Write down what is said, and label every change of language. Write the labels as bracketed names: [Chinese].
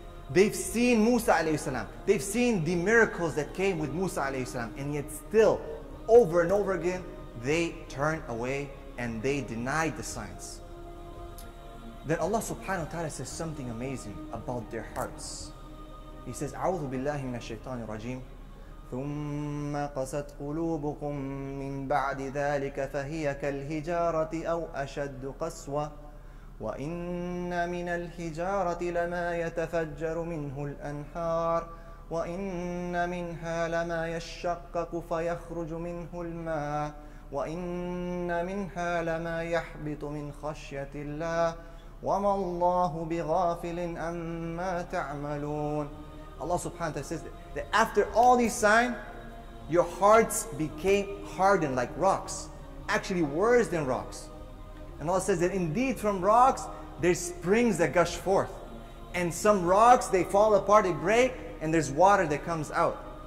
[English] They've seen Musa alayhi salam. They've seen the miracles that came with Musa alayhi salam. And yet still, over and over again, they turn away and they deny the signs. Then Allah subhanahu wa ta'ala says something amazing about their hearts. He says, [Arabic] أعوذ بالله من الشيطان الرجيم ثم قست قلوبكم من بعد ذلك فهي كالحجارة أو أشد قسوة وإن من الحجارة لما يتفجر منه الأنهار وإن منها لما يشقق فيخرج منه الماء وإن منها لما يحبط من خشية الله وما الله بغافل أما تعملون. [English] Allah subhanahu wa ta'ala says that after all these signs, your hearts became hardened like rocks, actually worse than rocks. And Allah says that indeed from rocks, there's springs that gush forth. And some rocks, they fall apart, they break, and there's water that comes out.